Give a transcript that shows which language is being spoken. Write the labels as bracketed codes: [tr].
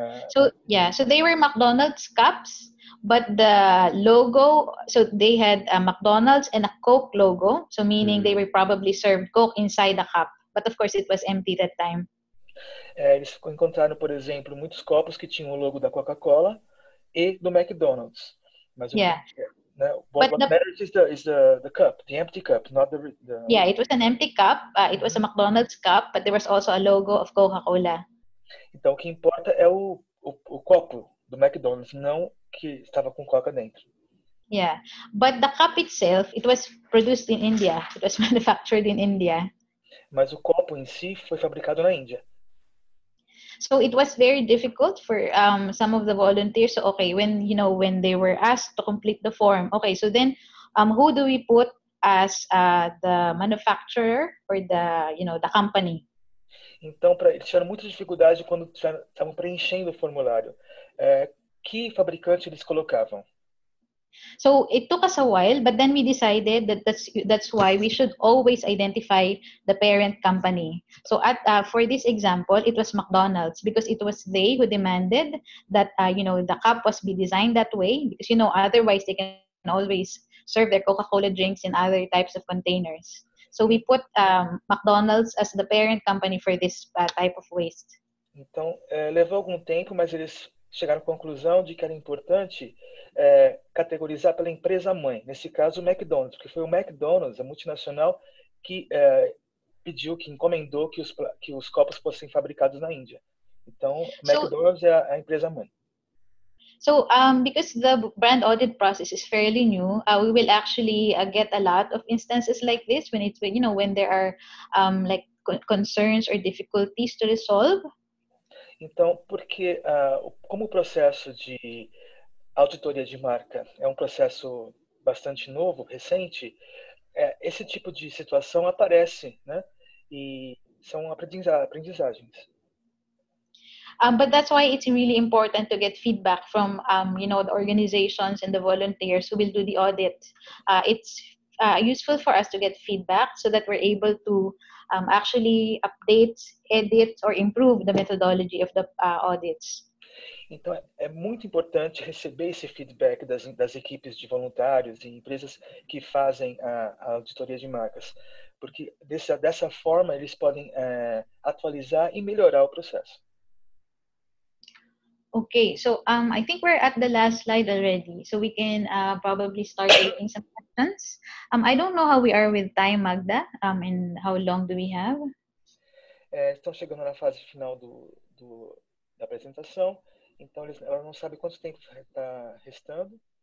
[en] So they were McDonald's cups, but the logo, so they had a McDonald's and a Coke logo, so meaning they were probably served Coke inside the cup, but of course it was empty that time. [pt] Eles encontraram, por exemplo, muitos copos que tinham o logo da Coca-Cola e do McDonald's. [en] The cup, the empty cup, not the... Yeah, it was an empty cup. It was a McDonald's cup, but there was also a logo of Coca-Cola. [pt] Então, o que importa é o copo do McDonald's, não que estava com Coca dentro. [en] Yeah, but the cup itself, it was produced in India. It was manufactured in India. [pt] Mas o copo em si foi fabricado na Índia. [en] So it was very difficult for some of the volunteers. So, okay, when they were asked to complete the form, okay, so then who do we put as the manufacturer or the company? [pt] Então, eles tiveram muita dificuldade quando estavam preenchendo o formulário. que fabricante eles colocavam. [en] So it took us a while, but then we decided that that's why we should always identify the parent company. So at for this example, it was McDonald's because it was they who demanded that you know, the cup was be designed that way, because you know otherwise they can always serve their Coca-Cola drinks in other types of containers. So we put McDonald's as the parent company for this type of waste. [pt] Então, levou algum tempo, mas eles chegaram à conclusão de que era importante categorizar pela empresa mãe, nesse caso o McDonald's, porque foi o McDonald's, a multinacional, que pediu, que encomendou que os copos fossem fabricados na Índia. Então, McDonald's é a empresa mãe. [en] So, because the brand audit process is fairly new, we will actually get a lot of instances like this when it's, you know, when there are like concerns or difficulties to resolve. [pt] Então, porque como o processo de auditoria de marca é um processo bastante novo, recente, esse tipo de situação aparece, né? E são aprendizagens. [en] But that's why it's really important to get feedback from, you know, the organizations and the volunteers who will do the audit. It's useful for us to get feedback so that we're able to actually update, edit, or improve the methodology of the audits. [pt] Então, é muito importante receber esse feedback das equipes de voluntários e empresas que fazem a auditoria de marcas, porque dessa forma eles podem atualizar e melhorar o processo. [en] Okay, so I think we're at the last slide already, so we can probably start taking some questions. I don't know how we are with time, Magda, and how long do we have? [pt] Estão chegando na fase final da apresentação, então ela não sabe quanto tempo está restando.